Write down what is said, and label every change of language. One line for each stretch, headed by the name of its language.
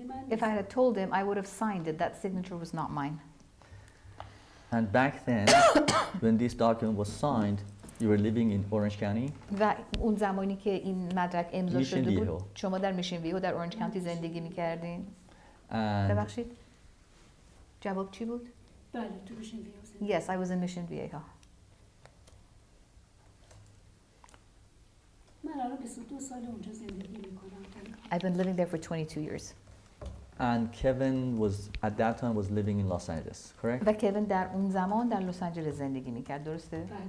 English: If I had told him, I would have signed it. That signature was not mine. And back then, when this document was signed, you were living in Orange County?
Persian: و اون زمانی که این مدرک امضا شده بود شما در میشن ویو در اورنج کانتی زندگی میکردین. ببخشید. جواب چی بود؟ بله تو میشن ویو.
English: Yes, I was in Mission Viejo.
Persian: من الان 22 سال اونجا زندگی میکنم.
English: I've been living there for 22 years. And Kevin was at that time was living in Los Angeles, correct?
Persian: و کوین در اون زمان در لس آنجلس زندگی میکرد، درسته؟